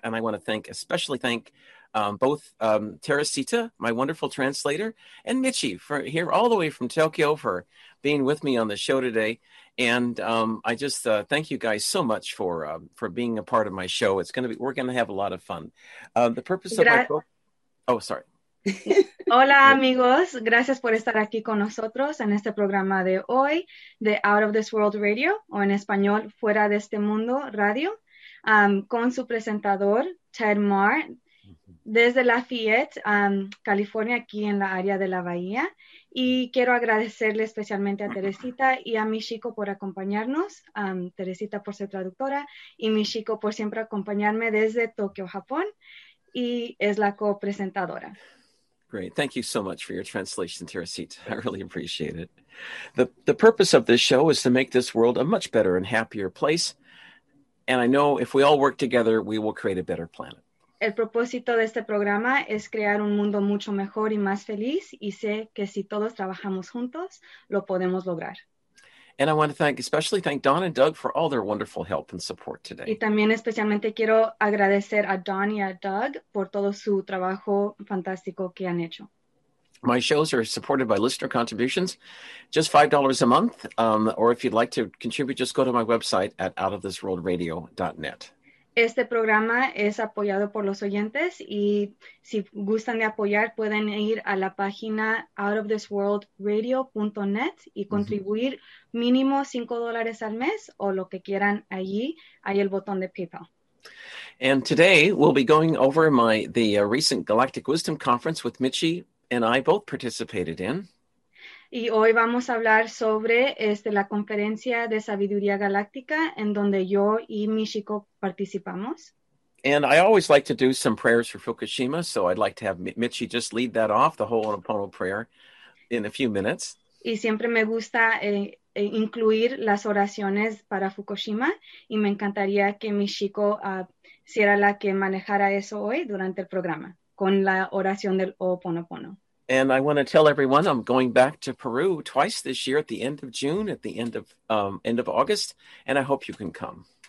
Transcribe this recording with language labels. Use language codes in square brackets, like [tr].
[en] And I want to especially thank both Teresita, my wonderful translator, and Michi for here all the way from Tokyo for being with me on the show today. And I just thank you guys so much for being a part of my show. We're going to have a lot of fun. The purpose of my program. Oh, sorry. [es] Hola amigos, gracias por estar aquí con nosotros en este programa de hoy de Out of This World Radio, o en español Fuera de Este Mundo Radio, con su presentador Ted Marr desde Lafayette, California, aquí en la área de la Bahía. Y quiero agradecerle especialmente a Teresita y a Michiko por acompañarnos, Teresita por ser traductora y Michiko por siempre acompañarme desde Tokio, Japón, y es la copresentadora. [en] Great. Thank you so much for your translation, Teresita. I really appreciate it. The purpose of this show is to make this world a much better and happier place. And I know if we all work together, we will create a better planet. [es] El propósito de este programa es crear un mundo mucho mejor y más feliz. Y sé que si todos trabajamos juntos, lo podemos lograr. [en] And I want to especially thank Don and Doug for all their wonderful help and support today. [es] Y también especialmente quiero agradecer a Don y a Doug por todo su trabajo fantástico que han hecho. [en] My shows are supported by listener contributions, just $5 a month. Or if you'd like to contribute, just go to my website at outofthisworldradio.net. [es] Este programa es apoyado por los oyentes y si gustan de apoyar pueden ir a la página outofthisworldradio.net y contribuir mínimo $5 al mes o lo que quieran allí, hay el botón de PayPal. [en] And today we'll be going over the recent Galactic Wisdom Conference with Michi and I both participated in. [es] Y hoy vamos a hablar sobre la conferencia de sabiduría galáctica en donde yo y Michiko participamos. [en] And I always like to do some prayers for Fukushima, so I'd like to have Michi just lead that off, the Ho'oponopono prayer, in a few minutes. [es] Y siempre me gusta incluir las oraciones para Fukushima, y me encantaría que Michiko sea la que manejara eso hoy durante el programa, con la oración del Ho'oponopono. [en] And I want to tell everyone I'm going back to Peru twice this year at the end of June, at the end of August, and I hope you can come.